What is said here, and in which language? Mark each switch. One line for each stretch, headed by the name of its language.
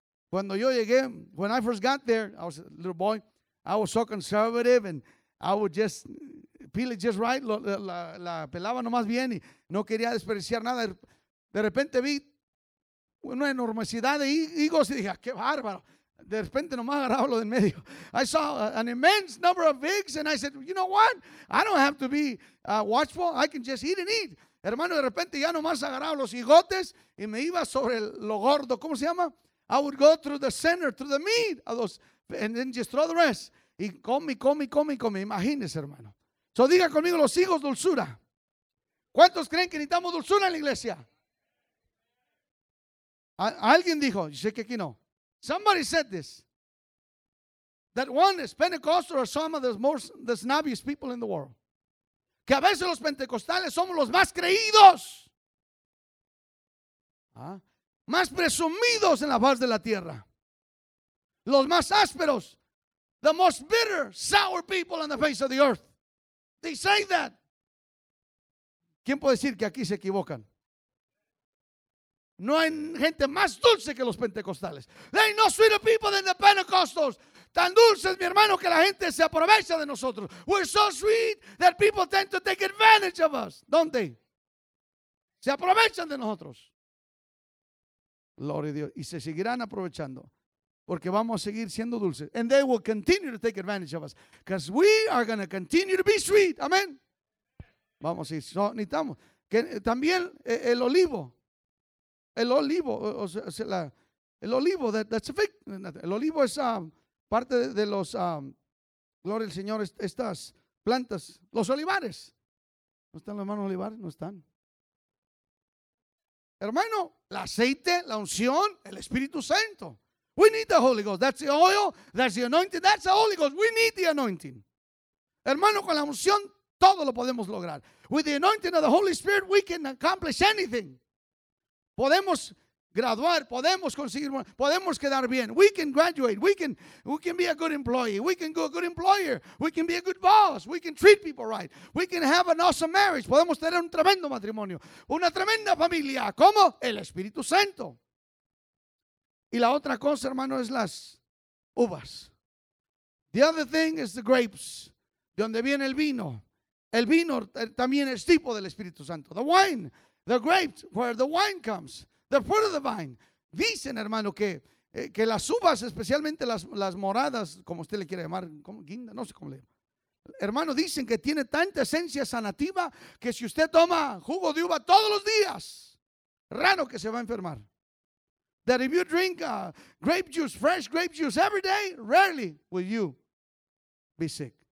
Spanish: Cuando yo llegué,
English: when I first got there, I was a little boy. I was so conservative and I would just peel it just right.
Spanish: La pelaba nomás bien y no quería desperdiciar nada. De repente vi una enormidad de higos y dije, ¡qué bárbaro! De repente nomás agarraba lo del medio.
English: I saw an immense number of figs and I said, you know what? I don't have to be watchful. I can just eat and eat.
Spanish: Hermano, de repente ya nomás agarraba los higotes y me iba sobre lo gordo. ¿Cómo se llama?
English: I would go through the center, through the meat of those, and then just throw the rest.
Spanish: Y come. Imagínese, hermano. So diga conmigo, los higos, dulzura. ¿Cuántos creen que necesitamos dulzura en la iglesia? Alguien dijo, yo sé que aquí no.
English: Somebody said this. That one is Pentecostal or some of the snobbiest people in the world.
Spanish: Que a veces los pentecostales somos los más creídos. ¿Ah? Más presumidos en la faz de la tierra. Los más ásperos.
English: The most bitter, sour people on the face of the earth. They say that.
Spanish: ¿Quién puede decir que aquí se equivocan? No hay gente más dulce que los pentecostales.
English: They no sweeter people than the Pentecostals.
Spanish: Tan dulces, mi hermano, que la gente se aprovecha de nosotros.
English: We're so sweet that people tend to take advantage of us. Don't they?
Spanish: Se aprovechan de nosotros. Gloria a Dios. Y se seguirán aprovechando. Porque vamos a seguir siendo dulces.
English: And they will continue to take advantage of us. Because we are going to continue to be sweet.
Spanish: Amén. Vamos a ir. So, necesitamos. Que, también el olivo. El olivo, o sea, el olivo,
English: that's a fig.
Spanish: El olivo es parte de los, gloria al Señor, estas plantas, los olivares. ¿No están los hermanos olivares? No están. Hermano, el aceite, la unción, el Espíritu Santo.
English: We need the Holy Ghost. That's the oil, that's the anointing, that's the Holy Ghost. We need the anointing.
Spanish: Hermano, con la unción, todo lo podemos lograr.
English: With the anointing of the Holy Spirit, we can accomplish anything.
Spanish: Podemos graduar, podemos conseguir, podemos quedar bien.
English: We can graduate, we can be a good employee, we can go a good employer, we can be a good boss, we can treat people right, we can have an awesome marriage,
Spanish: podemos tener un tremendo matrimonio, una tremenda familia, como el Espíritu Santo. Y la otra cosa, hermano, es las uvas.
English: The other thing is the grapes,
Spanish: de donde viene el vino. El vino también es tipo del Espíritu Santo.
English: The wine. The grapes, where the wine comes, the fruit of the vine.
Spanish: Dicen, hermano, que las uvas, especialmente las moradas, como usted le quiere llamar, como guinda, no sé cómo le llama. Hermano, dicen que tiene tanta esencia sanativa que si usted toma jugo de uva todos los días, raro que se va a enfermar.
English: that if you drink grape juice, fresh grape juice every day, rarely will you be sick.